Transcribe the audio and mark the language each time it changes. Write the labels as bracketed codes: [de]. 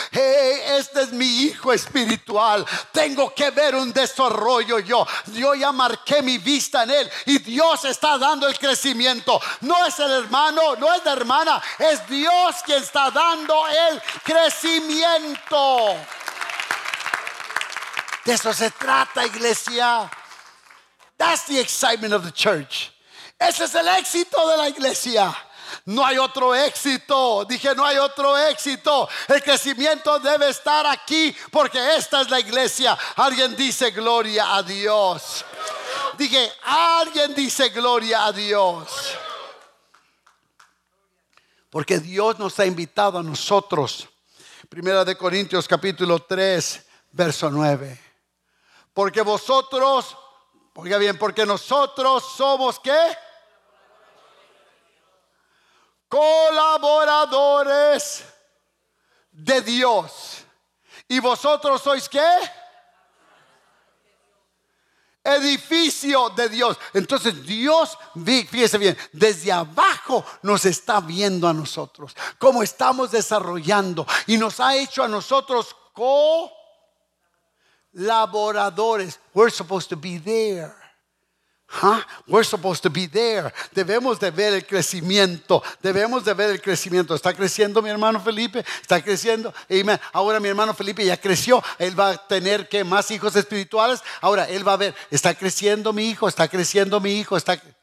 [es] Este es mi hijo espiritual. Tengo que ver un desarrollo yo. Yo ya marqué mi vista en él. Y Dios está dando el crecimiento. No es el hermano, no es la hermana. Es Dios quien está dando el crecimiento. De eso se trata, iglesia. [en] That's the excitement of the church. [es] Ese es el éxito de la iglesia. No hay otro éxito. Dije, no hay otro éxito. El crecimiento debe estar aquí porque esta es la iglesia. Alguien dice gloria a Dios. Dije, alguien dice gloria a Dios. Porque Dios nos ha invitado a nosotros. Primera de Corintios capítulo 3, verso 9. Porque vosotros, oiga bien, porque nosotros somos ¿qué? Colaboradores de Dios. ¿Y vosotros sois qué? edificio de Dios. Entonces Dios, fíjese bien, desde abajo nos está viendo a nosotros cómo estamos desarrollando, y nos ha hecho a nosotros colaboradores. [en] We're supposed to be there. Huh? We're supposed to be there. [es] Debemos de ver el crecimiento. Debemos de ver el crecimiento. Está creciendo mi hermano Felipe. Está creciendo. Amen. Ahora mi hermano Felipe ya creció. Él va a tener que más hijos espirituales. Ahora él va a ver. Está creciendo mi hijo. Está creciendo mi hijo. Está.